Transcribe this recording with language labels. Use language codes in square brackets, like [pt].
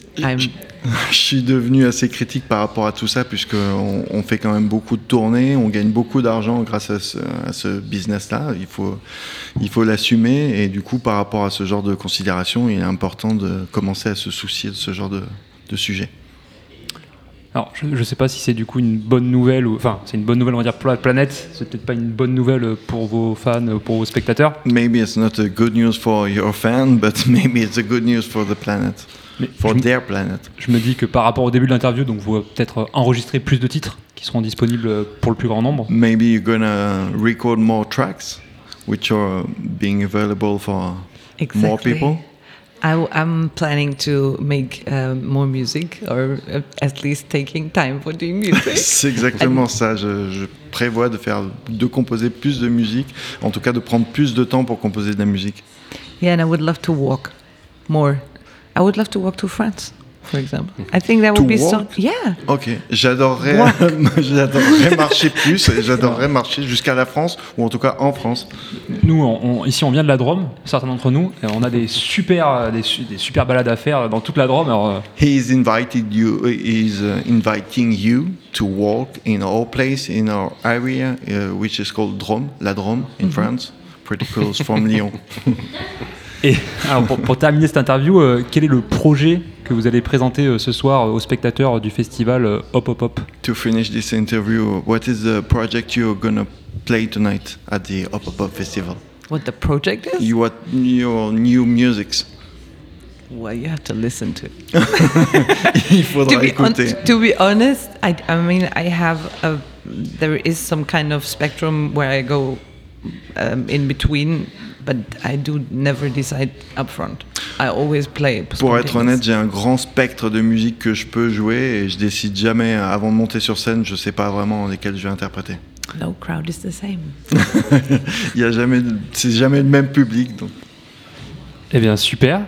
[fr] Je suis devenu assez critique par rapport à tout ça, puisqu'on fait quand même beaucoup de tournées, on gagne beaucoup d'argent grâce à ce business-là, il faut l'assumer, et du coup, par rapport à ce genre de considération, il est important de commencer à se soucier de ce genre de sujet. Alors, je ne sais pas si c'est du coup une bonne nouvelle, enfin, c'est une bonne nouvelle, on va dire, pour la planète. C'est peut-être pas une bonne nouvelle pour vos fans, pour vos spectateurs. [en] Maybe it's not a good news for your fans, but maybe it's a good news for the planet, their planet. [fr] Je me dis que par rapport au début de l'interview, donc vous peut-être enregistrer plus de titres qui seront disponibles pour le plus grand nombre. [en] Maybe you're gonna record more tracks, which are being available for exactly. more people. I'm planning to make more music, or at least taking time for doing music. [fr] C'est exactement ça. Je prévois de composer plus de musique, en tout cas de prendre plus de temps pour composer de la musique. [en] Yeah, and I would love to walk more. I would love to walk to France, for example. I think that to would be walk? So. Yeah. [fr] Okay. J'adorerais marcher plus. Et j'adorerais marcher jusqu'à la France, ou en tout cas en France. Nous, on vient de la Drôme, certains d'entre nous, et on a des super balades à faire dans toute la Drôme. [en] He is inviting you to walk in our place, in our area, which is called Drôme, la Drôme, in France. Pretty close from Lyon. [fr] Et alors pour terminer cette interview, quel est le projet que vous allez présenter ce soir aux spectateurs du festival Hop Hop Hop? [en] To finish this interview, what is the project you're gonna play tonight at the Hop Hop Hop Festival? What the project is? Your new music. Well, you have to listen to it. [fr] Il faudra écouter. [en] To be honest, there is some kind of spectrum where I go in between. But I do never decide up front. I always play. [fr] Pour être honnête, j'ai un grand spectre de musique que je peux jouer et je décide jamais avant de monter sur scène. Je sais pas vraiment lesquelles je vais interpréter. [en] No crowd is the same. [fr] Il y a jamais, c'est jamais le même public. Donc. Eh bien, super.